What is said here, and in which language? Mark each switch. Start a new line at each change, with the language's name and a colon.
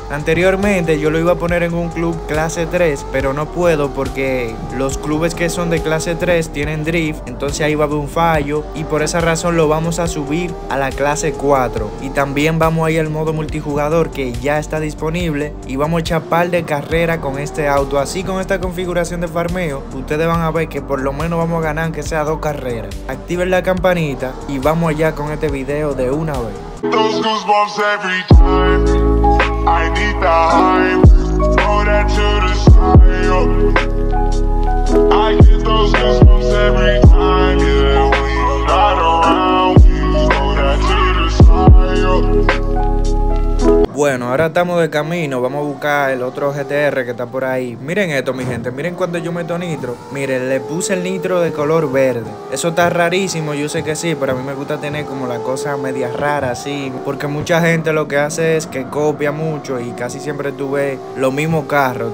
Spanish: Anteriormente yo lo iba a poner en un club clase 3, pero no puedo porque los clubes que son de clase 3 tienen drift, entonces ahí va a haber un fallo y por esa razón lo vamos a subir a la clase 4. Y también vamos a ir al modo multijugador que ya está disponible y vamos a echar par de carrera con este auto. Así, con esta configuración de farmeo, ustedes van a ver que por lo menos vamos a ganar que sea dos carreras. Activen la campanita y vamos allá con este video de una vez.
English: Those goosebumps every time I need the hype. Throw that to the sky, yo. I get those goosebumps every time, yeah. When you're not around, throw that to the sky, yo.
Spanish: Bueno, ahora estamos de camino, vamos a buscar el otro GTR que está por ahí. Miren esto, mi gente, miren cuando yo meto nitro. Miren, le puse el nitro de color verde. Eso está rarísimo, yo sé que sí, pero a mí me gusta tener como la cosa media rara así. Porque mucha gente lo que hace es que copia mucho y casi siempre tú ves lo mismo carro.